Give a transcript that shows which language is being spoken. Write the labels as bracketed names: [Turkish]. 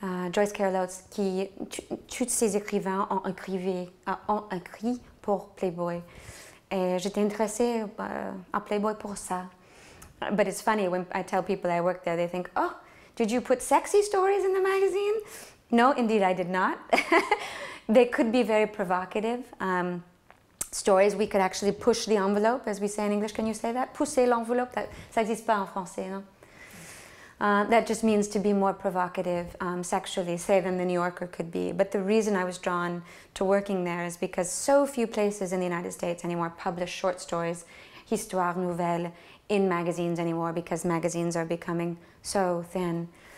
[French] Joyce Carol Oates, qui toutes ces écrivains ont écrit pour Playboy. Et j'étais intéressée à Playboy pour ça. [English] But it's funny, when I tell people I work there, they think, oh, did you put sexy stories in the magazine? No, indeed I did not. They could be very provocative stories. We could actually push the envelope, as we say in English. Can you say that? [French] Pousser l'enveloppe, ça n'existe pas en français, non? [English] That just means to be more provocative sexually, say, than The New Yorker could be. But the reason I was drawn to working there is because so few places in the United States anymore publish short stories, [French] histoires nouvelles, [English] in magazines anymore, because magazines are becoming so thin.